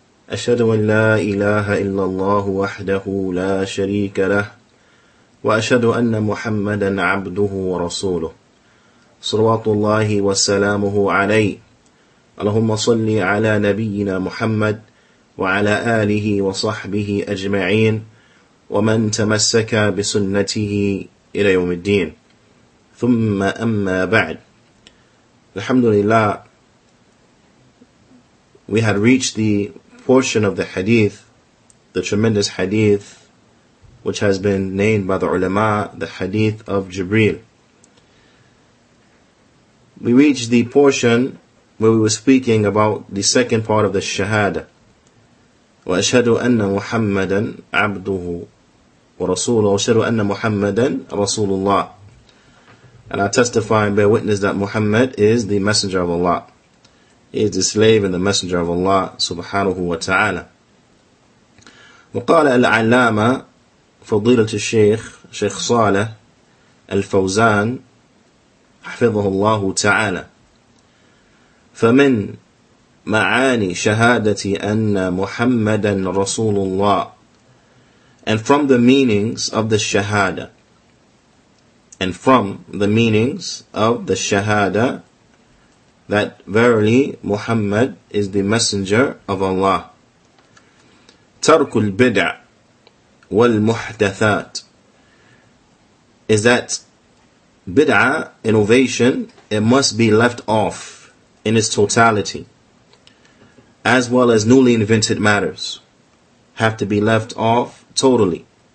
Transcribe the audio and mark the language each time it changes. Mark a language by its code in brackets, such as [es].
[ar] أشهد أن لا إله إلا الله وحده لا شريك له وأشهد أن محمدا عبده ورسوله صلوات الله وسلامه عليه اللهم صل على نبينا محمد وعلى آله وصحبه أجمعين ومن تمسك بسنته إلى يوم الدين ثم أما بعد الحمد لله. [en] We had reached the portion of the hadith, the tremendous hadith, which has been named by the ulama the hadith of Jibreel. We reached the portion where we were speaking about the second part of the shahada, [ar] وَأَشْهَدُ أَنَّ مُحَمَّدًا عَبْدُهُ وَرَسُولُهُ وَأَشْهَدُ أَنَّ مُحَمَّدًا رَسُولُ اللَّهِ. [en] And I testify and bear witness that Muhammad is the messenger of Allah. He is the slave and the messenger of Allah subhanahu wa ta'ala. [ar] وقال العلامة فضيلة الشيخ شيخ صالح الفوزان حفظه الله تعالى فمن معاني شهادتي أن محمدا رسول الله. [en] And from the meanings of the shahada, and from the meanings of the shahada, that verily Muhammad is the messenger of Allah. [ar] ترك البدع والمحدثات [en] is that bid'ah, innovation, it must be left off in its totality, as well as newly invented matters have to be left off totally.